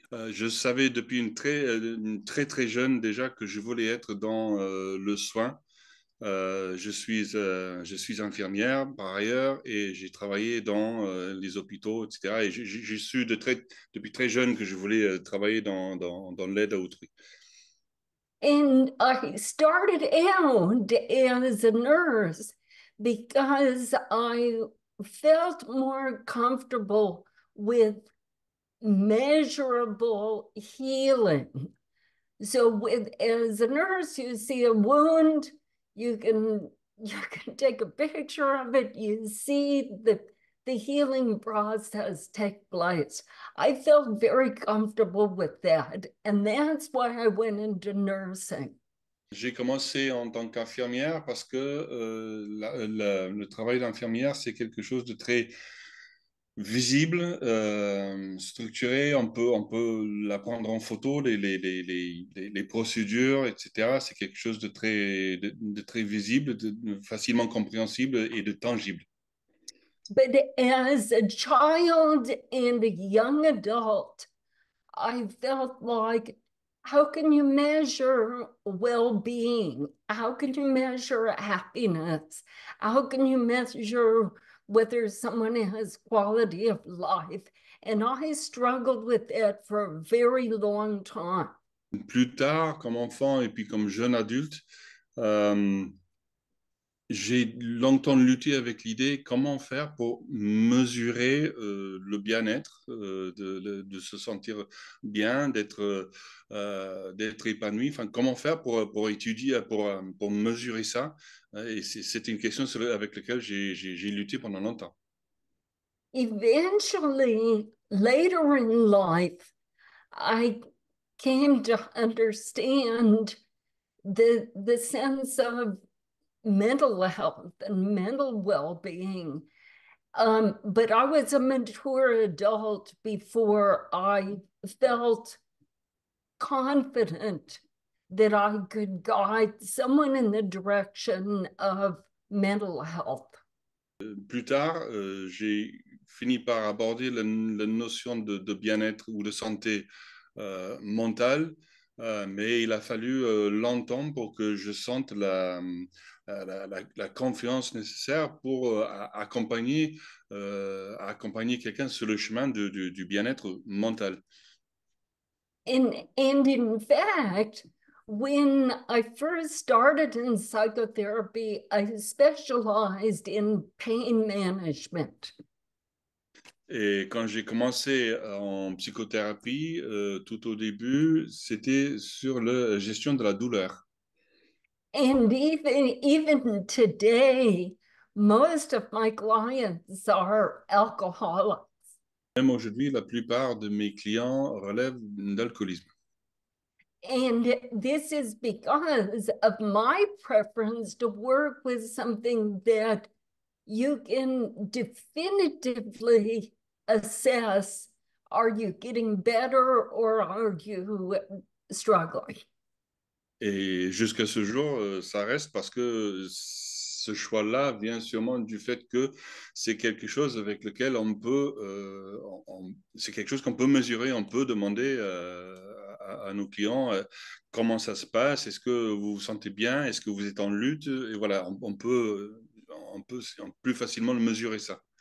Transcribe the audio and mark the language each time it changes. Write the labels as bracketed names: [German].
[French] Je savais depuis une très jeune déjà que je voulais être dans le soin. Je suis infirmière par ailleurs et j'ai travaillé dans les hôpitaux, etc. Et j'ai su depuis très jeune que je voulais travailler dans l'aide à autrui. [English] And I started out as a nurse because I felt more comfortable with measurable healing. So as a nurse, you see a wound, you can take a picture of it, you see the healing process take place. I felt very comfortable with that, and that's why I went into nursing. [French] J'ai commencé en tant qu'infirmière parce que le travail d'infirmière, c'est quelque chose de très visible, structuré. On peut la prendre en photo, les procédures, etc. C'est quelque chose de très visible, de facilement compréhensible et de tangible. [English] But as a child and a young adult, I felt like, how can you measure well-being? How can you measure happiness? How can you measure whether someone has quality of life? And I struggled with that for a very long time. [French] Plus tard, comme enfant et puis comme jeune adulte, j'ai longtemps lutté avec l'idée comment faire pour mesurer le bien-être, de se sentir bien, d'être épanoui. Enfin, comment faire pour étudier, pour mesurer ça? Et c'est une question avec laquelle j'ai lutté pendant longtemps. [English] Eventually, later in life, I came to understand the sense of mental health and mental well-being. But I was a mature adult before I felt confident that I could guide someone in the direction of mental health. [French] Plus tard, j'ai fini par aborder la notion de bien-être ou de santé mentale, mais il a fallu longtemps pour que je sente la confiance nécessaire pour accompagner quelqu'un sur le chemin du bien-être mental. [English] And in fact, when I first started in psychotherapy, I specialized in pain management. [French] Et quand j'ai commencé en psychothérapie, tout au début, c'était sur la gestion de la douleur. [English] And even today, most of my clients are alcoholics. [French] Même aujourd'hui, la plupart de mes clients relèvent d'alcoolisme. [English] And this is because of my preference to work with something that you can definitively assess, are you getting better or are you struggling? [French] Et jusqu'à ce jour, ça reste parce que ce choix-là vient sûrement du fait que c'est quelque chose avec lequel on peut, c'est quelque chose qu'on peut mesurer, on peut demander à nos clients comment ça se passe, est-ce que vous vous sentez bien, est-ce que vous êtes en lutte, et voilà, on peut plus facilement mesurer ça.